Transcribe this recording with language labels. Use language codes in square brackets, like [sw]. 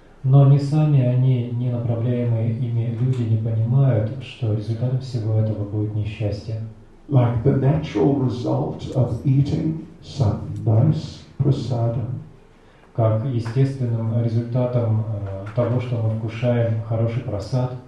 [ru] Но не сами они, не направляемые ими люди, не понимают, что результатом всего этого будет несчастье. [en] Like the natural result of eating some nice prasadam. [ru] Как естественным результатом того, что мы вкушаем хороший прасад.